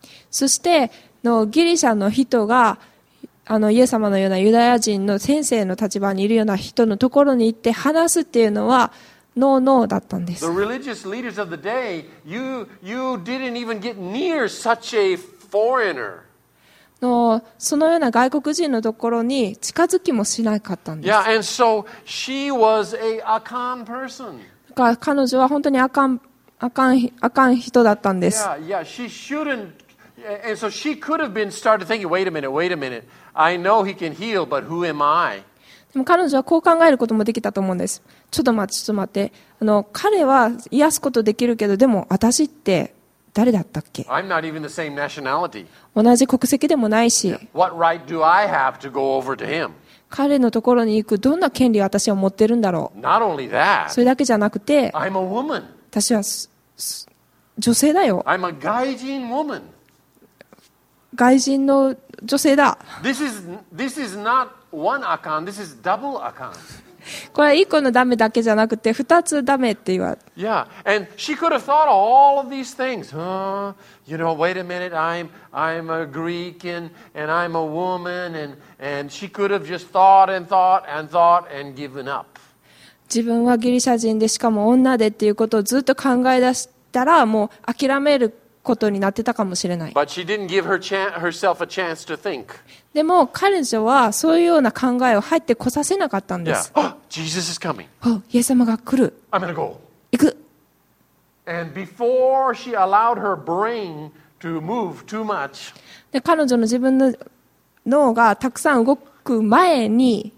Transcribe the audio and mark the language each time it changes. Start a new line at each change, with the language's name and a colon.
Japanese: そしてギリシャの人がイエス様のようなユダヤ人の先生の立場にいるような人のところに行って話すっていうのはノーノーだったんです。
English: The religious leaders of the day, you didn't even get near such a foreigner.
Japanese: そのような外国人のところに近づきもしなかったんです。
English: Yeah, and so she was a con person.
Japanese: 彼女は本当にあかん人だったんです。
English: Yeah, she shouldn't. And so she could have been started thinking, wait a minute. I know he can heal, but who am I?
Japanese: でも彼女はこう考えることもできたと思うんです。ちょっと待って。彼は癒すことできるけど、でも私って、誰だったっけ?
English: I'm not even the same nationality.
Japanese: 同じ国籍でもないし。
English: What right do I have to go over to him?
Japanese: 彼のところに行くどんな権利を私は持ってるんだろう?
English: Not only that.
Japanese: それだけじゃなくて、
English: I'm a woman.
Japanese: 私は女性だよ。
English: I'm a 外人 woman.
Japanese: 外人の女性だ。
English: This is not one account. This is double account.
Japanese: これは1個のダメだけじゃなくて2つダメって言われて。
English: Yeah, and she could have thought all of these things. You know, wait a minute, I'm a Greek and I'm a woman and she could have just thought and thought and thought and given up.
Japanese: 自分はギリシャ人でしかも女でっていうことをずっと考え出したらもう諦めることになってたかもしれない。
English: But she didn't give herself a chance to think.
Japanese: でも彼女はそういうような考えを入ってこさせなかったんです。
English: Yeah. Oh, Jesus is coming.
Japanese: イエス様が来る。
English: I'm gonna go.
Japanese: 行く。
English: And before she allowed her brain to move too much,
Japanese: 彼女の自分の脳がたくさん動く前に、